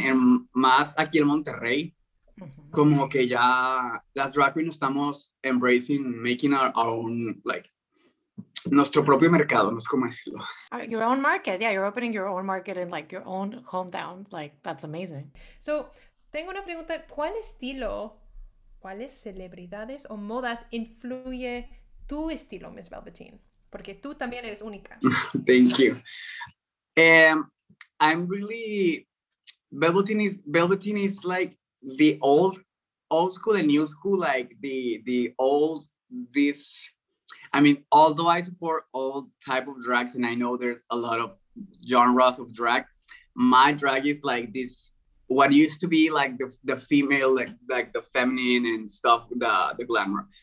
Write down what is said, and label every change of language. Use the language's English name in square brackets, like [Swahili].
[Spanish] And más aquí en Monterrey, como que ya las drag queens estamos [English] embracing making our own, like [Spanish] nuestro propio mercado, no sé cómo decirlo. [English] Your own market, yeah, you're opening your own market in like your own hometown, like that's amazing. [Spanish] So, tengo una pregunta, ¿cuál estilo, cuáles celebridades o modas influye tu estilo, Miss Velveteen? Porque tú también eres única. [English] Thank you. I'm really, Velveteen is like the old school and new school, like the old, this, I mean, although I support all type of drags and I know there's a lot of genres of drags, my drag is like this, what used to be like the female, like the feminine and stuff, the glamour.